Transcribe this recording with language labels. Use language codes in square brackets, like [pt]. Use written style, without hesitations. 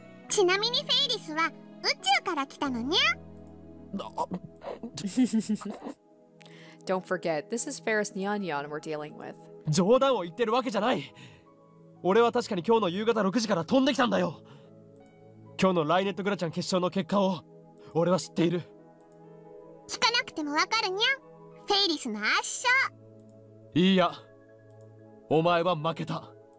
[ja] ちなみにフェイリスは宇宙から来たのにゃ? [en] Don't forget, this is Faris Nyanyan we're dealing with. [ja] 冗談を言ってるわけじゃない。俺は確かに今日の夕方6時から飛んできたんだよ。今日のライネットグラちゃん決勝の結果を俺は知っている。聞かなくてもわかるにゃ。フェイリスの圧勝。いいや。お前は負けた。